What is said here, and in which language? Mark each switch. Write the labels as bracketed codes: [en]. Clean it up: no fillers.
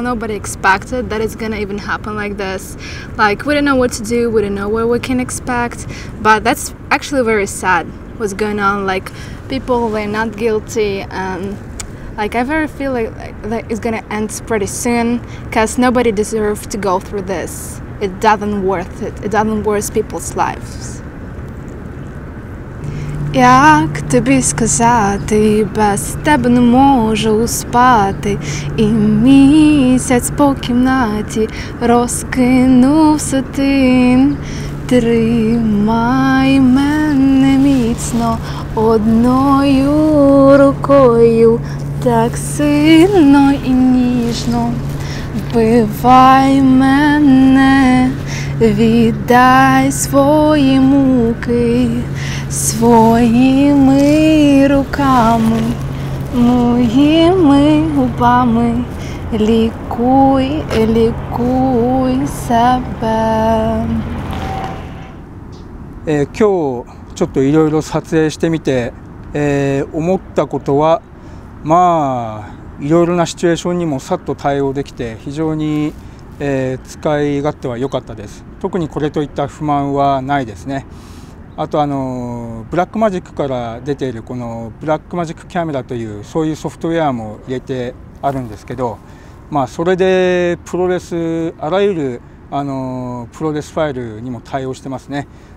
[en] Nobody expected that it's gonna even happen like this. Like, we don't know what to do, we don't know what we can expect, but that's actually very sad what's going on. Like, people, they're not guilty, and like, I very feel like that it's gonna end pretty soon, because nobody deserves to go through this. It doesn't worth it. It doesn't worth people's lives. [uk] Як тобі сказати, без тебе не можу спати, і місяць по кімнаті розкинувся тим. Тримай мене міцно одною рукою, так сильно і ніжно вбивай мене, віддай свої муки. Своїми руками, моїми губами, лікуй, лікуй себе. [ja] 今日ちょっといろいろ撮影してみて、思ったことは、まあいろいろなシチュエーションにもさっと対応できて非常に、使い勝手は良かったです。特にこれといった不満はないですね。あとブラックマジックから出ているこのブラックマジックカメラというそういうソフトウェアも入れてあるんですけど、まあそれでプロレスあらゆるプロレスファイルにも対応してますね。